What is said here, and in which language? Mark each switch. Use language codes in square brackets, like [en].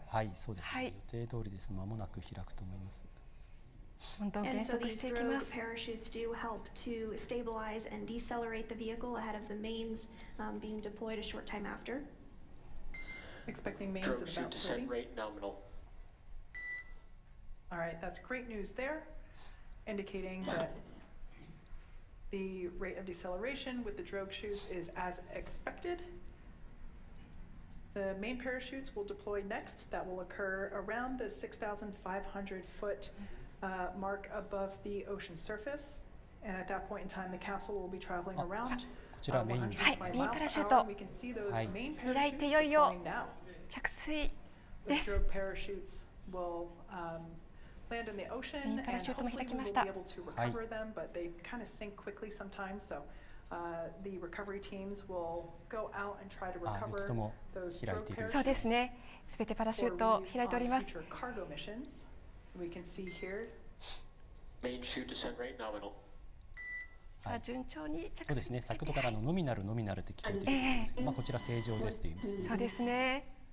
[ja] はい、そうです、はい、予定通りです。間もなく開くと思います。どんどん減速していきます。パラシュートは、 [en] help to stabilize and decelerate the vehicle ahead of the mains being deployed a short time after. Expecting mains at about 30. Drogue shoot descent rate nominal. All right, that's great news there, indicating that the rate of deceleration with the drogue shoots is as expected. The main parachutes will deploy next. That will occur around the 6,500 foot mark above the ocean surface. And at that point in time, the capsule will be traveling around. [ja] こちらメイン。はい、メインパラシュート。はい。開いて、いよいよ着水です。 [en] The drogue parachutes will land in the ocean. [ja] メインパラシュートも開きました。 [en] We'll be able to recover them, but they kind of sink quickly sometimes. So. The recovery teams will go out and try to recover those drogue parachutes. [ja] そうですね。すべてパラシュートを開いております。 [en] Future cargo missions. We can see here. Main chute descent rate nominal. [ja] さあ、順調に着地。そうですね。先ほどからのノミナルノミナルって聞こえてる。まあこちら正常ですという意味です。そうですね。